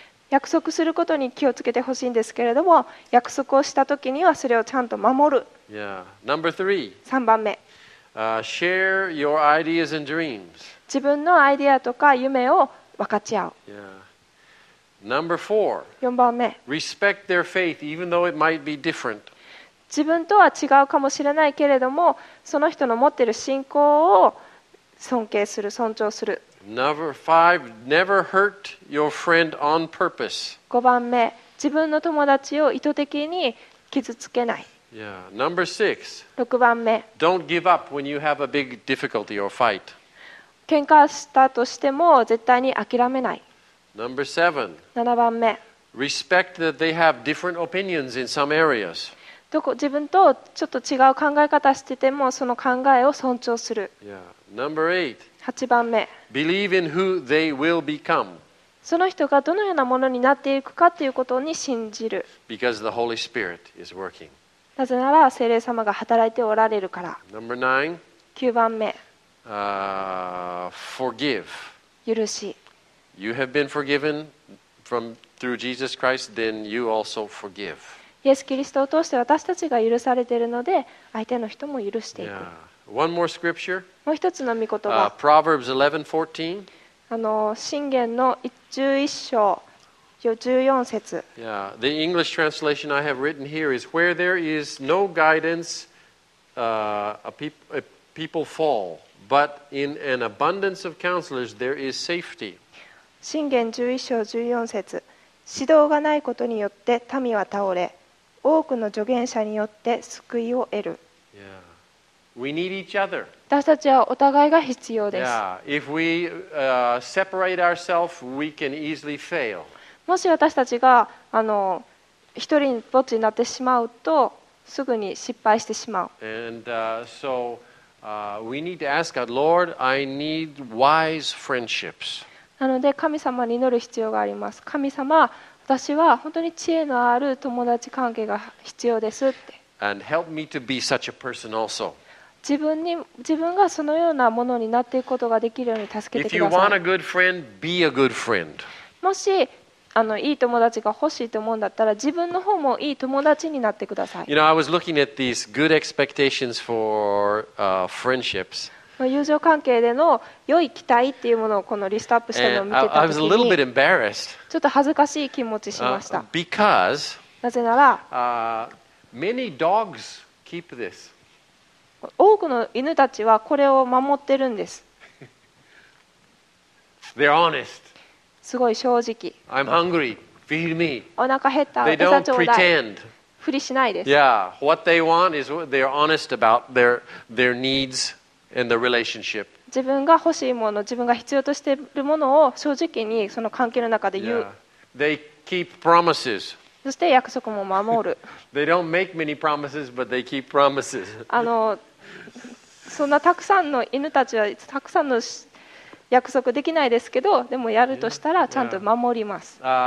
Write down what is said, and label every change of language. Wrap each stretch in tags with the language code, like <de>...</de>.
<ja>約束することに気をつけてほしいんですけれども、約束をしたときにはそれをちゃんと守る。</ja> <en>Yeah. Number three,</en> <ja>3番目、</ja> <en>share your ideas and dreams.</en> <ja>自分のアイデアとか夢を分かち合う。</ja> <en>Number four.</en> <ja>4番目。</ja> <en>Respect their faith, even though it might be different.</en> <ja>自分とは違うかもしれないけれども、その人の持っている信仰を尊敬する、尊重する。</ja> <en>Number five. Never hurt your friend on purpose.</en> <ja>5番目。自分の友達を意図的に傷つけない。</ja> <en>Number six.</en> <ja>6番目。</ja> <en>Don't give up when you have a big difficulty or fight.</en> <ja>喧嘩したとしても絶対に諦めない。 7番目。</ja> <en>Respect that they have different opinions in some areas.</en> <ja>自分とちょっと違う考え方しててもその考えを尊重する。 8 番目。</ja> <en>Believe in who they will become.</en> <ja>その人がどのようなものになっていくかということに信じる。</ja> <en>Because the Holy Spirit is working.</en> <ja>なぜなら聖霊様が働いておられるから。 9 番目。</ja> <en>Forgive.</en> <ja>許し。</ja> <en>You have been forgiven from through Jesus Christ, then you also forgive.</en> <ja>イエス・キリストを通して私たちが許されているので、相手の人も許していく。</ja> <en>Yeah. One more scripture.</en> <ja>もう一つの御言葉。</ja> <en>Proverbs 11:14.</en> <ja>箴言の11章14節。</ja> <en>Yeah. The English translation I have written here is where there is no guidance, a people fall. But in an abundance of counselors, there is safety.</en> <ja>箴言11章14節。指導がないことによって民は倒れ、多くの助言者によって救いを得る。</ja> <en>Yeah. We need each other.</en> <ja>私たちはお互いが必要です。</ja> <en>Yeah. If we, separate ourselves, we can easily fail.</en> <ja>もし私たちが一人ぼっちになってしまうと、すぐに失敗してしまう。</ja> <en>And, so,we need to ask God, Lord, I need wise friendships.</en> <ja>なので神様に祈る必要があります。神様、私は本当に知恵のある友達関係が必要ですって。</ja> <en>And help me to be such a person also.</en> <ja>自分がそのようなものになっていくことができるように助けてください。</ja> <en>If you want a good friend, be a good friend.</en> <ja>もしいい友達が欲しいと思うんだったら自分の方もいい友達になってください。</ja> <en>You know, I was looking at these good expectations for, friendships.</en> <ja>友情関係での良い期待っていうものをこのリストアップしたのを見てた時に、</ja> <en>I was a little bit embarrassed.</en> <ja>ちょっと恥ずかしい気持ちしました。</ja> <en>Because,</en> <ja>なぜなら、</ja> <en>many dogs keep this.</en> <ja>多くの犬たちはこれを守ってるんです。</ja> <en>They're honest.</en> <ja>すごい正直。</ja> <en>I'm hungry. Feed me.</en> <ja>お腹減った。</ja> <en>They don't pretend.</en> <ja>ふりしないです。</ja> <en>Yeah. What they want is they're honest about their needs and the relationship.</en> <ja>自分が欲しいもの、自分が必要としているものを正直にその関係の中で言う。</ja> <en>They keep promises.</en> <ja>そして約束も守る。</ja> <en>They don't make many promises, but they keep promises.</en> <ja>そんなたくさんの犬たちはたくさんの約束できないですけど、でもやるとしたらちゃんと守ります。</ja>